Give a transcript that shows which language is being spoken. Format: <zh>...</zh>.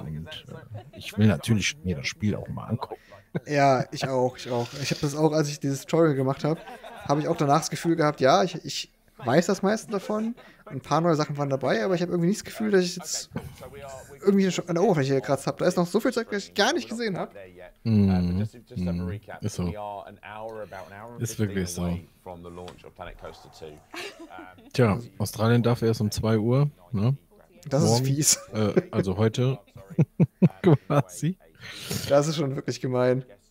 <de>Und ich will natürlich mir das Spiel auch mal angucken. Ja, ich auch. Ich habe das auch, als ich dieses Tutorial gemacht habe, habe ich auch danach das Gefühl gehabt, ja, ich weiß das meiste davon. Ein paar neue Sachen waren dabei, aber ich habe irgendwie nicht das Gefühl, dass ich jetzt irgendwie schon an der Oberfläche gekratzt habe. Da ist noch so viel Zeug, was ich gar nicht gesehen habe.</de> <en>Just a recap, so we are about an hour and 15 away from the launch of Planet Coaster 2.</en> <de>Tja, Australien darf erst um 2 Uhr, ne? Das morgen, ist fies. Also heute, quasi. Das ist schon wirklich gemein.</de>